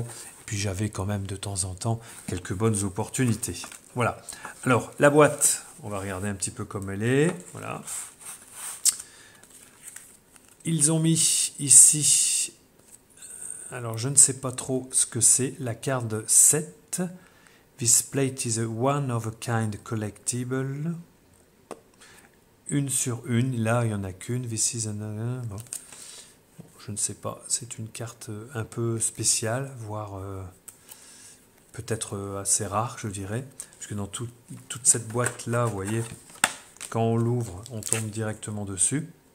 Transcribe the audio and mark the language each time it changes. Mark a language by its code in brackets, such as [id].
[fr] Et puis j'avais quand même de temps en temps quelques bonnes opportunités. Voilà. Alors, la boîte, on va regarder un petit peu comme elle est. Voilà. Ils ont mis ici, alors je ne sais pas trop ce que c'est, la carte 7. [en] This plate is a one of a kind collectible. [fr] Une sur une, là il n'y en a qu'une. [en] This is an... [fr] bon. Bon, je ne sais pas, c'est une carte un peu spéciale, voire peut-être assez rare, je dirais. Parce que dans toute cette boîte-là, vous voyez, quand on l'ouvre, on tombe directement dessus.